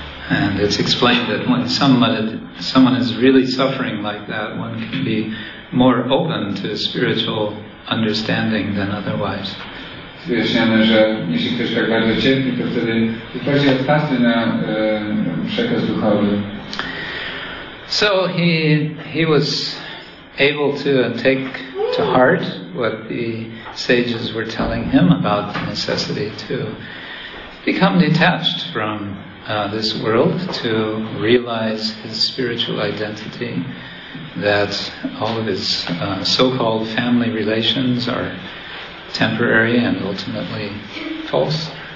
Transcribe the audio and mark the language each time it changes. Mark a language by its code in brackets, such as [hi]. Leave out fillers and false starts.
[en] And it's explained that when someone is really suffering like that, one can be more open to spiritual understanding than otherwise. [pl] Wyjaśniamy, że jeśli ktoś tak bardzo cierpi, to wtedy jest bardziej otwarty na przekaz duchowy. [en] So he was able to take to heart what the sages were telling him about the necessity to become detached from this world, to realize his spiritual identity, that all of his so-called family relations are temporary and ultimately false.